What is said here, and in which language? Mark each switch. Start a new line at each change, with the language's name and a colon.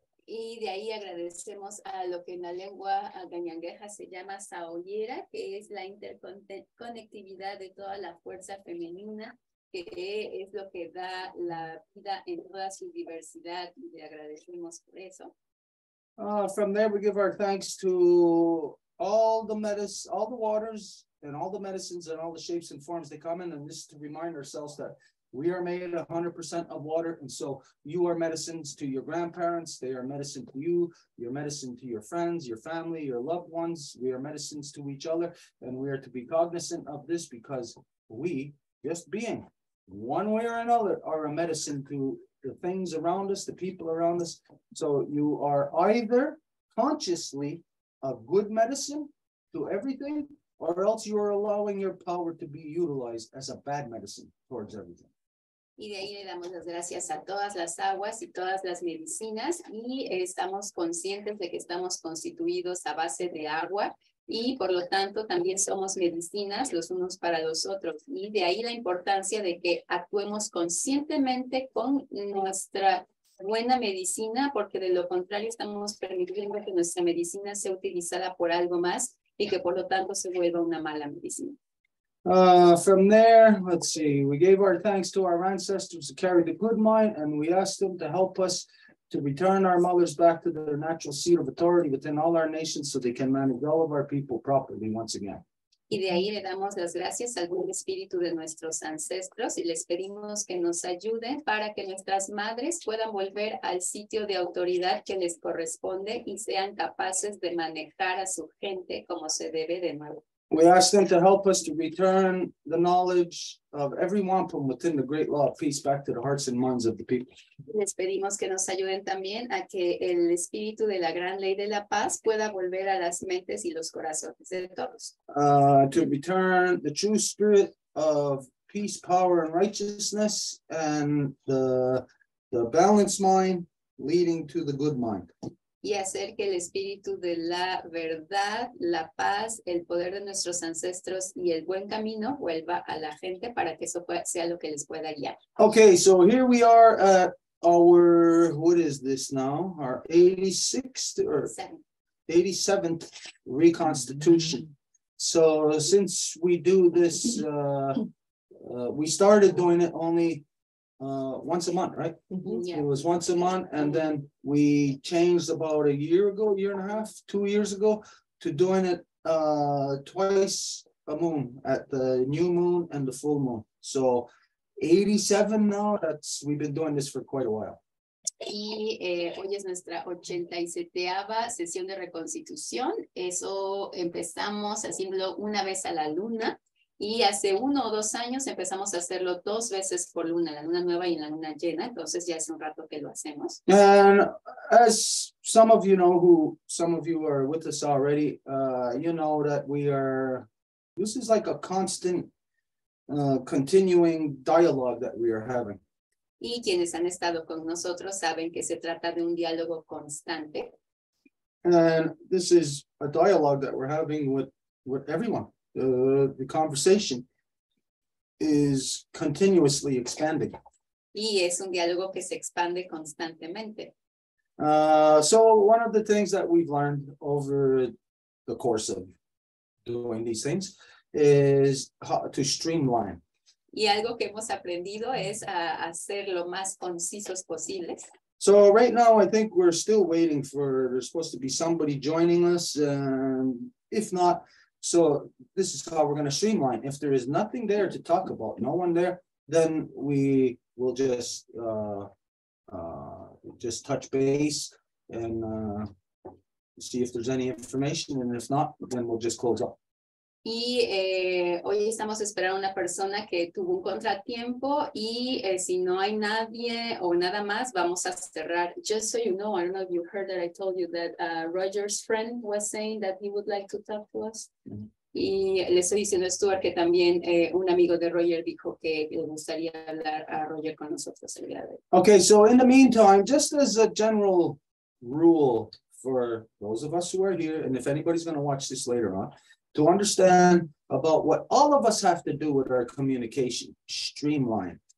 Spanish: Y de ahí agradecemos a lo que en la lengua gañangueja se llama saoyera, que es la interconectividad de toda la fuerza femenina, que es lo que da la vida en toda su diversidad, y le agradecemos por eso.
English: From there we give our thanks to all the medicines, all the waters, and all the medicines and all the shapes and forms they come in, and just to remind ourselves that we are made 100% of water, and so you are medicines to your grandparents, they are medicine to you, you're medicine to your friends, your family, your loved ones, we are medicines to each other, and we are to be cognizant of this because we, just being, one way or another, are a medicine to the things around us, the people around us. So you are either consciously a good medicine to everything, or else you are allowing your power to be utilized as a bad medicine towards everything.
Spanish: Y de ahí le damos las gracias a todas las aguas y todas las medicinas, y estamos conscientes de que estamos constituidos a base de agua, y por lo tanto también somos medicinas los unos para los otros. Y de ahí la importancia de que actuemos conscientemente con nuestra buena medicina, porque de lo contrario estamos permitiendo que nuestra medicina sea utilizada por algo más y que por lo tanto se vuelva una mala medicina.
English: From there, let's see, we gave our thanks to our ancestors to carry the good mind, and we asked them to help us to return our mothers back to their natural seat of authority within all our nations so they can manage all of our people properly once again.
Spanish: Y de ahí le damos las gracias al buen espíritu de nuestros ancestros y les pedimos que nos ayuden para que nuestras madres puedan volver al sitio de autoridad que les corresponde y sean capaces de manejar a su gente como se debe de nuevo.
English: We ask them to help us to return the knowledge of every wampum within the great law of peace back to the hearts and minds of the people.
Spanish: Les pedimos que nos ayuden también a que el espíritu de la gran ley de la paz pueda volver a las mentes y los corazones de todos.
English: To return the true spirit of peace, power, and righteousness, and the balanced mind leading to the good mind.
Spanish: Y hacer que el espíritu de la verdad, la paz, el poder de nuestros ancestros y el buen camino vuelva a la gente para que eso sea lo que les pueda guiar.
English: Okay, so here we are at our, what is this now? Our 86th or 87th reconstitution. So since we do this, we started doing it only once a month, right? Mm-hmm. Yeah. It was once a month, and then we changed about a year ago, year and a half, 2 years ago, to doing it twice a moon, at the new moon and the full moon. So 87 now, that's, we've been doing this for quite a while.
Spanish: Y hoy es nuestra 87ª sesión de reconstitución. Eso empezamos haciéndolo una vez a la luna. Y hace uno o dos años empezamos a hacerlo dos veces por luna, la luna nueva y la luna llena. Entonces ya hace un rato que lo hacemos.
English: And as some of you know, who some of you are with us already, you know that we are, this is like a constant, continuing dialogue that we are having.
Spanish: Y quienes han estado con nosotros saben que se trata de un diálogo constante.
English: And this is a dialogue that we're having with everyone. The conversation is continuously expanding.
Spanish: Y es un diálogo que se expande constantemente.
English: So one of the things that we've learned over the course of doing these things is how to streamline.
Spanish: Y algo que hemos aprendido es a hacer lo más concisos posibles.
English: So right now, I think we're still waiting for, there's supposed to be somebody joining us. If not, so this is how we're going to streamline. If there is nothing there to talk about, no one there, then we will just touch base and see if there's any information. And if not, then we'll just close up.
Spanish: Y hoy estamos esperando una persona que tuvo un contratiempo y si no hay nadie o nada más, vamos a cerrar.
English: Just so you know, I don't know if you heard that I told you that Roger's friend was saying that he would like to talk to us.
Spanish: Mm-hmm. Y le estoy diciendo a Stuart que también un amigo de Roger dijo que le gustaría hablar a Roger con nosotros el día de hoy.
English: Okay, so in the meantime, just as a general rule for those of us who are here, and if anybody's going to watch this later on, to understand about what all of us have to do with our communication, streamline.